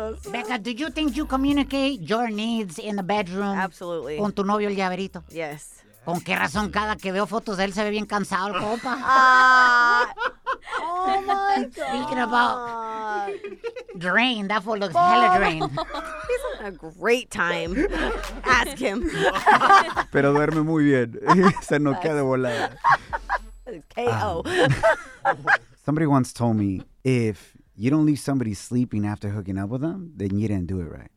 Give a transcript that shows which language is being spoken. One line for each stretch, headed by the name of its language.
English: Becca, do you think you communicate your needs in the bedroom? Absolutely.
Spanish: Con tu novio el llaverito.
English: Yes.
Spanish: ¿Con qué razón cada que veo fotos de él se ve bien cansado el compa?
English: Oh my god. Speaking about drain, that fool looks hella drain. He's having a great time. Ask him.
Spanish: Pero duerme muy bien. Se no queda volada.
English: KO. Somebody once told me if you don't leave somebody sleeping after hooking up with them, then you didn't do it right.